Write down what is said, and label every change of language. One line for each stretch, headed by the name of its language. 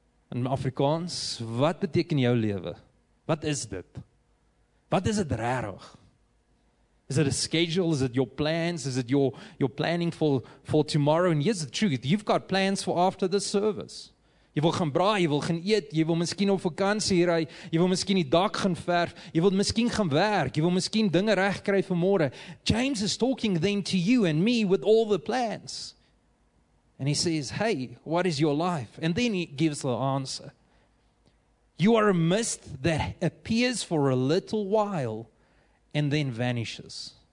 Afrikaans: In Afrikaans, wat beteken jou lewe? Wat is dit? Wat is dit rarig?
English: Is it a schedule? Is it your plans? Is it your planning for tomorrow? And here's the truth. You've got plans for after this service.
Afrikaans: Jy wil gaan braai, jy wil gaan eet, jy wil miskien op vakantie ry, jy wil miskien die dak gaan verf, jy wil miskien gaan werk, jy wil miskien dinge reg kry vir môre.
English: James is talking then to you and me with all the plans. And he says, hey, what is your life? And then he gives the answer. You are a mist that appears for a little while and then vanishes.